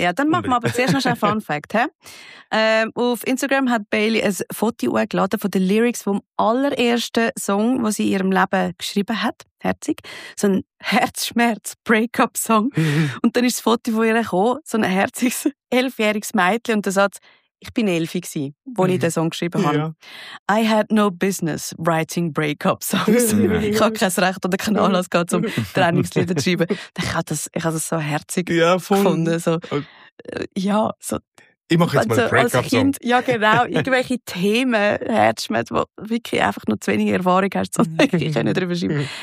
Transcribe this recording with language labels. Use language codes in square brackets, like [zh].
[de] Ja, dann machen wir aber zuerst noch ein Fun Fact. Auf Instagram hat Bailey ein Foto hochgeladen von den Lyrics vom allerersten Song, den sie in ihrem Leben geschrieben hat. Herzig. So ein Herzschmerz-Breakup-Song. Und dann ist das Foto von ihr gekommen, so ein herziges 11-jähriges Mädchen und der Satz: Ich bin 11, als ich den Song geschrieben habe. Ja. [en] I had no business writing breakup songs. [de] Ja. Ich habe kein Recht oder keinen Anlass gehabt, um Trennungslieder zu schreiben. Ich habe das so herzig gefunden. So, ja, so. Ich mache jetzt mal Breakup-Song. Als Kind, ja genau, irgendwelche Themen, Herzschmerz, wo wirklich einfach nur zu wenig Erfahrung hast, sondern ich kann nicht darüber schreiben.